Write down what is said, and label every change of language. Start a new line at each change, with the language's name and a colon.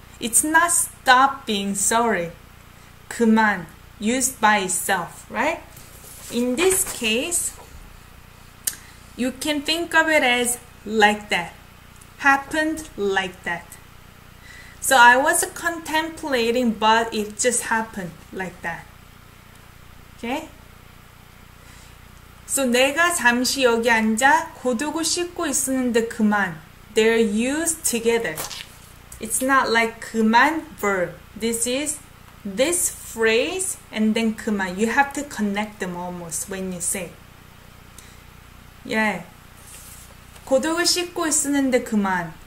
English: It's not stop being sorry. 그만, used by itself, right? In this case, you can think of it as like that. Happened like that. So I was contemplating, but it just happened like that. Okay? So
Korean: 내가 잠시 여기 앉아 고두고 씻고 있었는데 그만.
English: They're used together. It's not like 그만 verb. This is this phrase and then 그만. You have to connect them almost when you say. Yeah.
Korean: 고독을 씻고 있었는데 그만.